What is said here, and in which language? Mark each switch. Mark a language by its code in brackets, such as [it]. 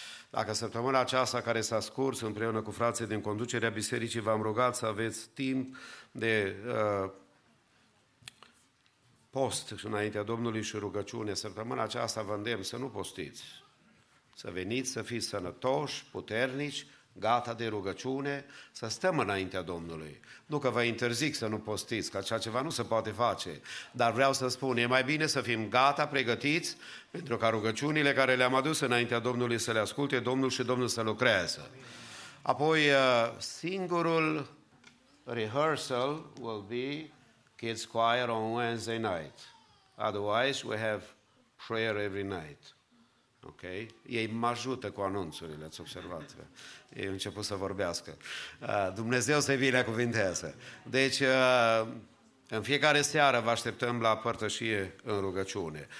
[ro] Dacă săptămâna aceasta care s-a scurs împreună cu frații din conducerea bisericii v-am rugat să aveți timp de post înaintea Domnului și rugăciune, săptămâna aceasta vă îndemn să nu postiți, să veniți să fiți sănătoși, puternici, gata de rugăciune, să stăm înaintea Domnului. Nu că vă interzic să nu postiți, că așa ceva nu se poate face, dar vreau să spun, e mai bine să fim gata, pregătiți, pentru ca rugăciunile care le-am adus înaintea Domnului să le asculte Domnul și Domnul să lucreze. [en] Apoi, singurul rehearsal will be Kids Choir on Wednesday night. Otherwise, we have prayer every night. Ok? [ro] Ei mă ajută cu anunțurile, ați observat. Ei au început să vorbească. Dumnezeu să-i binecuvinteze. Deci, în fiecare seară vă așteptăm la părtășie în rugăciune.